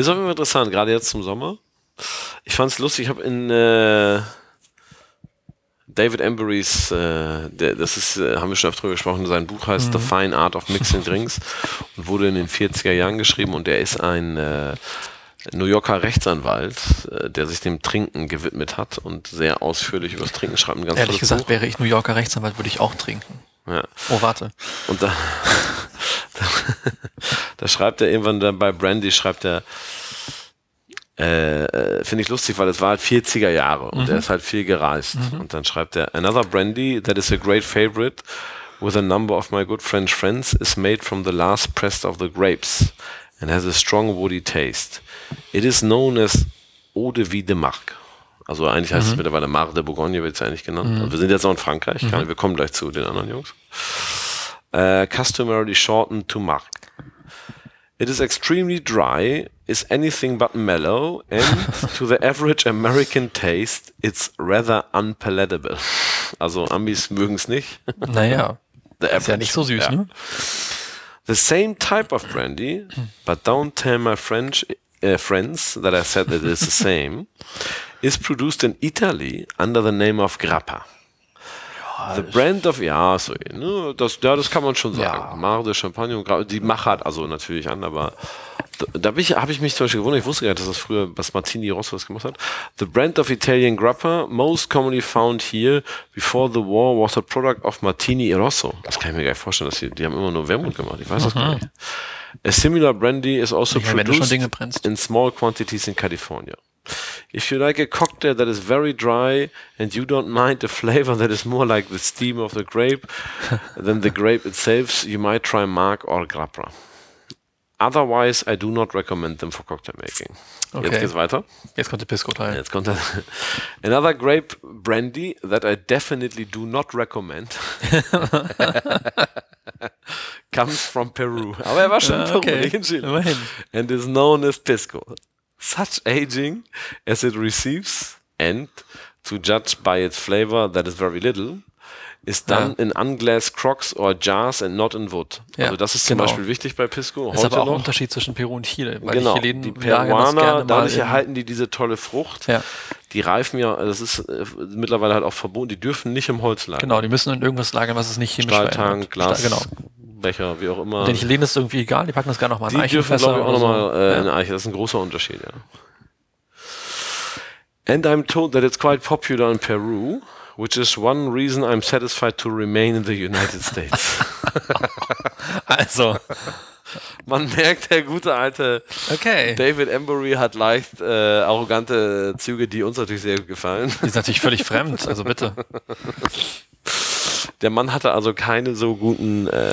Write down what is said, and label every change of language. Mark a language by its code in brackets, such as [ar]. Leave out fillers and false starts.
[de] Ist auch immer interessant, gerade jetzt zum Sommer. Ich fand es lustig, ich habe in David Emberys, haben wir schon oft drüber gesprochen, sein Buch heißt The Fine Art of Mixing Drinks und wurde in den 40er Jahren geschrieben und er ist ein New Yorker Rechtsanwalt, der sich dem Trinken gewidmet hat und sehr ausführlich über das Trinken schreibt. Ein ganz ehrlich gesagt, Buch. Wäre ich New Yorker Rechtsanwalt, würde ich auch trinken. Ja. Oh, warte. Und da schreibt er irgendwann dann bei Brandy, schreibt er, finde ich lustig, weil es war halt 40er Jahre und er ist halt viel gereist. Mhm. [en] Und dann schreibt er, another Brandy that is a great favorite with a number of my good French friends is made from the last pressed of the grapes. And has a strong woody taste. It is known as Eau de Vie de Marc. [de] Also eigentlich heißt es mittlerweile Mar de Bourgogne, wird es eigentlich genannt. Und wir sind jetzt auch in Frankreich, wir kommen gleich zu den anderen Jungs. [en] Customarily shortened to Marc. It is extremely dry, is anything but mellow, and to the average American taste, it's rather unpalatable. [de] Also Amis mögen es nicht. Naja, ist ja nicht so süß, ne? [en] The same type of brandy, but don't tell my French friends that I said that it's the same, is produced in Italy under the name of Grappa. [de] Ja, [en] the brand of, [de] ja, so, ne, das kann man schon sagen. Ja. Mare de Champagne und Grappa, die Machart, also natürlich an, aber da habe ich mich zum Beispiel gewundert, ich wusste gar nicht, dass das früher Martini Rosso das gemacht hat. [en] The brand of Italian Grappa, most commonly found here before the war, was a product of Martini Rosso. [de] Das kann ich mir gar nicht vorstellen, dass die haben immer nur Wermut gemacht, ich weiß das gar nicht. [en] A similar brandy is also produced in small quantities in California. If you like a cocktail that is very dry and you don't mind a flavor that is more like the steam of the grape than the grape itself, you might try Marc or Grappa. Otherwise, I do not recommend them for cocktail making. [de] Okay. Jetzt geht's weiter. Jetzt kommt der Pisco Teil. Jetzt kommt der [en] another grape brandy that I definitely do not recommend comes from Peru. [de] Aber er war schon in Chile. Immerhin. [en] And is known as Pisco. Such aging as it receives and to judge by its flavor that is very little is done in unglazed crocks or jars and not in wood. [de] Ja, also das ist zum Beispiel wichtig bei Pisco. Das ist aber auch ein Unterschied zwischen Peru und Chile. Weil genau, die Peruaner, dadurch erhalten die diese tolle Frucht. Ja. Die reifen ja, das ist mittlerweile halt auch verboten, die dürfen nicht im Holz lagern. Genau, die müssen in irgendwas lagern, was es nicht chemisch verändert. Stahltank, Glas, Becher, wie auch immer. Den Chilen ist irgendwie egal, die packen das gar nochmal in Eichenfässer. Die dürfen, glaube ich, auch nochmal in Eiche. Das ist ein großer Unterschied, ja. [en] And I'm told that it's quite popular in Peru. Which is one reason I'm satisfied to remain in the United States. [de] Also. Man merkt, der gute alte David Embury hat leicht arrogante Züge, die uns natürlich sehr gefallen. Die sind natürlich völlig fremd, also bitte. Der Mann hatte also keine so guten